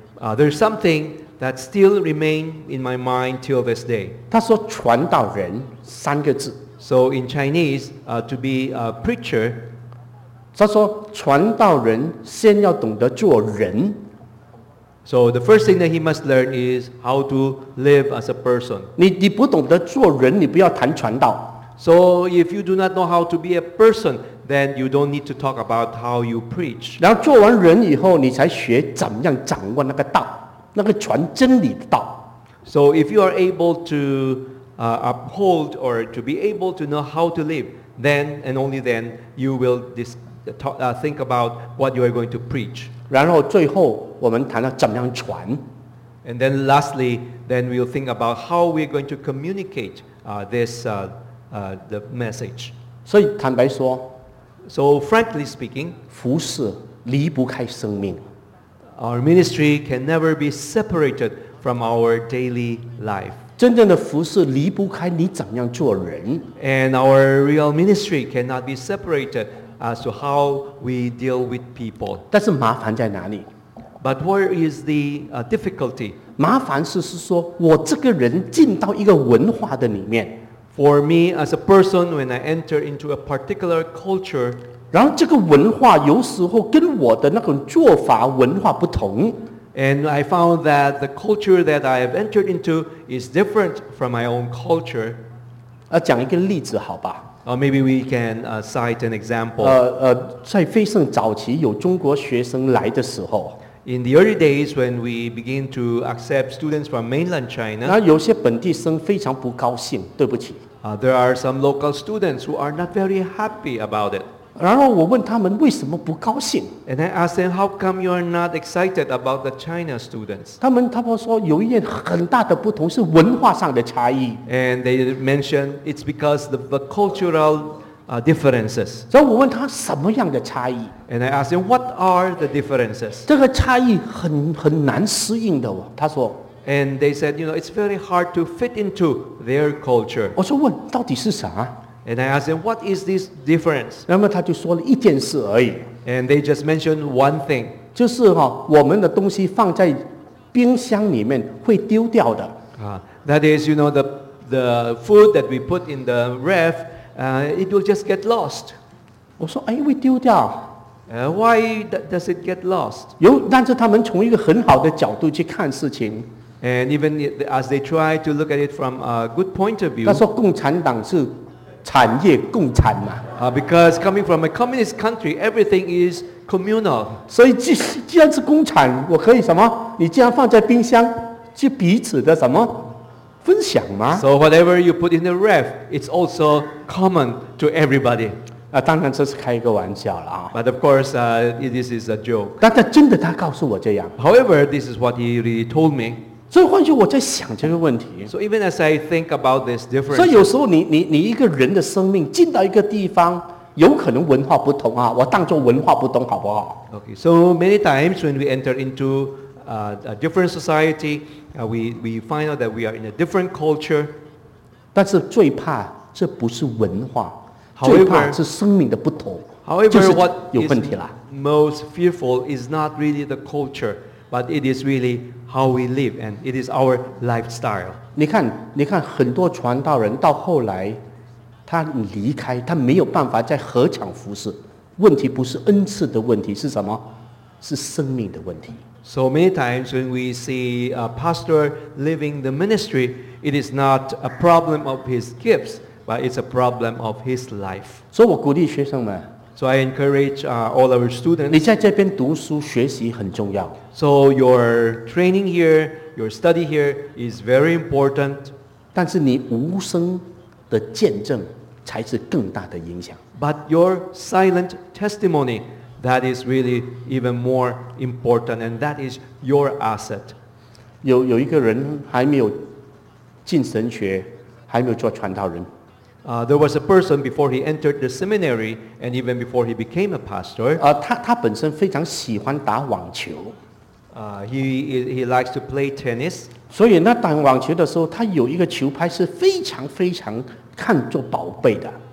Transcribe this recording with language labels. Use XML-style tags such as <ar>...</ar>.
<en>There's something that still remains in my mind till this day.</en> <zh>他说传道人三个字。</zh> <en>So in Chinese, to be a preacher,</en> <zh>他说传道人先要懂得做人。</zh> <en>So the first thing that he must learn is how to live as a person.</en> <zh>你不懂得做人，你不要谈传道。</zh> <en>So if you do not know how to be a person, then you don't need to talk about how you preach.</en> <zh>然后做完人以后，你才学怎么样掌握那个道，那个传真理的道。</zh> <en>So if you are able to uphold or to be able to know how to live, then and only then you will think about what you are going to preach.</en> <zh>然后最后我们谈到怎么样传。</zh> <en>And then lastly, then we'll think about how we're going to communicate the message.</en> <zh>所以坦白说，</zh> <en>so frankly speaking,</en> <zh>服侍离不开生命。</zh> <en>Our ministry can never be separated from our daily life.</en> <zh>真正的服侍离不开你怎样做人。</zh> <en>And our real ministry cannot be separated as to how we deal with people.</en> <zh>但是麻烦在哪里？</zh> <en>But where is the difficulty?</en> <zh>麻烦是说我这个人进到一个文化的里面。</zh> <en>For me, as a person, when I enter into a particular culture,</en> <zh>然后这个文化有时候跟我的那种做法文化不同。</zh> <en>And I found that the culture that I have entered into is different from my own culture.</en> <zh>讲一个例子好吧。</zh> <en>Or maybe we can cite an example.</en> <zh>在飞盛早期有中国学生来的时候。</zh> <en>In the early days, when we begin to accept students from mainland China,</en> <zh>那有些本地生非常不高兴，对不起。</zh> <en>There are some local students who are not very happy about it.</en> <zh>然后我问他们为什么不高兴。</zh> <en>And I asked them, how come you are not excited about the China students?</en> <zh>他们说有一件很大的不同是文化上的差异。</zh> <en>And they mentioned it's because of the cultural differences.</en> <zh>所以我问他什么样的差异。</zh> <en>And I asked him, what are the differences?</en> <zh>这个差异很难适应的哦，他说。</zh> <en>And they said, you know, it's very hard to fit into their culture.</en> <zh>我说问到底是啥。</zh> <en>And I asked him, what is this difference?</en> <zh>那么他就说了一件事而已。</zh> <en>And they just mentioned one thing.</en> <zh>就是我们的东西放在冰箱里面会丢掉的。</zh> <en>That is, you know, the food that we put in the ref, it will just get lost.</en> <zh>我说哎，会丢掉。</zh> <en>Why does it get lost?</en> <zh>但是他们从一个很好的角度去看事情。</zh> <en>And even as they try to look at it from a good point of view.</en> <zh>他说共产党是产业共产嘛。</zh> <en>Because coming from a communist country, everything is communal.</en> <zh>所以既然是共产，我可以什么？你既然放在冰箱，就彼此的什么分享嘛。</zh> <en>So whatever you put in the ref, it's also common to everybody.</en> <zh>当然这是开一个玩笑了啊。</zh> <en>But of course, this is a joke.</en> <zh>但他真的他告诉我这样。</zh> <en>However, this is what he really told me.</en> <zh>所以换句我在想这个问题。</zh> <en>So even as I think about this difference.</en> <zh>所以有时候你一个人的生命进到一个地方，有可能文化不同啊，我当作文化不同好不好</zh> <en>？Okay. So many times when we enter into a different society, we find out that we are in a different culture.</en> <zh>但是最怕这不是文化。最怕是生命的不同，</zh> <en>however,</en> <zh>就是有问题了。</zh> <en>Most fearful is not really the culture, but it is really how we live and it is our lifestyle.</en> <zh>你看很多传道人到后来，他离开，他没有办法再合抢服侍。问题不是恩赐的问题，是什么？是生命的问题。</zh> <en>So many times when we see a pastor leaving the ministry, it is not a problem of his gifts, but it's a problem of his life.</en> <zh>所以我鼓励学生们。</zh> <en>So I encourage all our students.</en> <zh>你在这边读书学习很重要。</zh> <en>So your training here, your study here is very important.</en> <zh>但是你无声的见证才是更大的影响。</zh> <en>But your silent testimony, that is really even more important, and that is your asset.</en> <zh>有一个人还没有进神学，还没有做传道人。</zh> <en>There was a person before he entered the seminary and even before he became a pastor.</en> <zh>他本身非常喜欢打网球。</zh> <en>He likes to play tennis.</en> <zh>所以那打网球的时候，他有一个球拍是非常非常看作宝贝的。</zh>